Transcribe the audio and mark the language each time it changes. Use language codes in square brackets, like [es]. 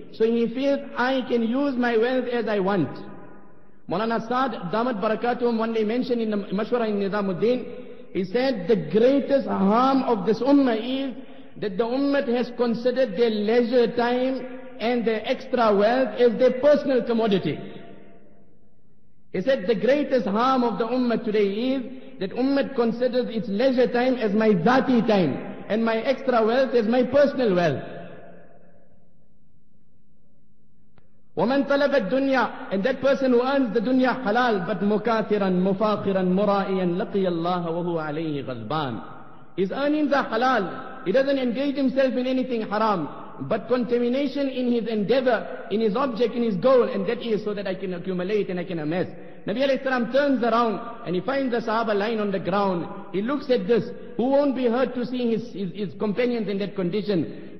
[en] So he feels, I can use my wealth as I want. Mawlana Saad, Damat Barakatuhum, one day mentioned in the Mashwara in Nizamuddin, he said, the greatest harm of this ummah is that the ummah has considered their leisure time and their extra wealth as their personal commodity. He said, the greatest harm of the ummah today is that ummah considers its leisure time as my dhati time and my extra wealth as my personal wealth. [ar] وَمَنْ طَلَبَ الدُّنْيَا, [en] and that person who earns the dunya halal, but [ar] مُكَاثِرًا مُفَاقِرًا مُرَائِيًا لَقِيَ اللَّهَ وَهُوَ عَلَيْهِ غَزْبَانٌ. [en] His earnings are halal. He doesn't engage himself in anything haram. But contamination in his endeavor, in his object, in his goal, and that is so that I can accumulate and I can amass. Nabi alayhi salam turns around and he finds the sahaba lying on the ground. He looks at this. Who won't be hurt to see his companions in that condition?